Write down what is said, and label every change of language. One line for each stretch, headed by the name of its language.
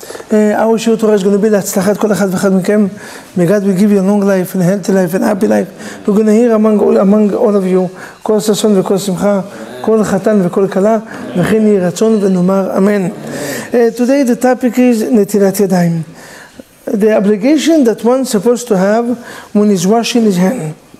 English: Our show Torah is going to be
Hebrew: להצלחת כל אחד ואחד מכם.
English: May God will give you a long life, and a healthy life, and a happy life. We're going to hear among all of you,
Hebrew: כל ששון וכל שמחה, כל חתן וכל קלה, וכן יהי רצון ונאמר אמן.
English: Today the topic is נטילת ידיים. The obligation that one is supposed to have when he's washing his hand.